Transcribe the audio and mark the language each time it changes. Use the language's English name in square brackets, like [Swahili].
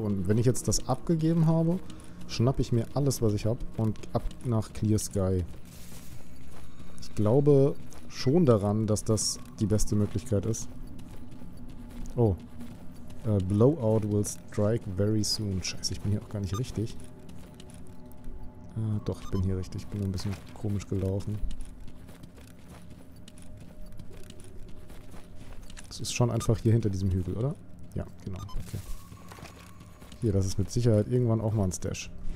[German] Und wenn ich jetzt das abgegeben habe, schnappe ich mir alles, was ich habe und ab nach Clear Sky. Ich glaube schon daran, dass das die beste Möglichkeit ist. Oh. [English] Blowout will strike very soon. [German] Scheiße, ich bin hier auch gar nicht richtig. Doch, ich bin hier richtig. Ich bin ein bisschen komisch gelaufen. Es ist schon einfach hier hinter diesem Hügel, oder? Ja, genau. Okay. Hier, das ist mit Sicherheit irgendwann auch mal ein Stash.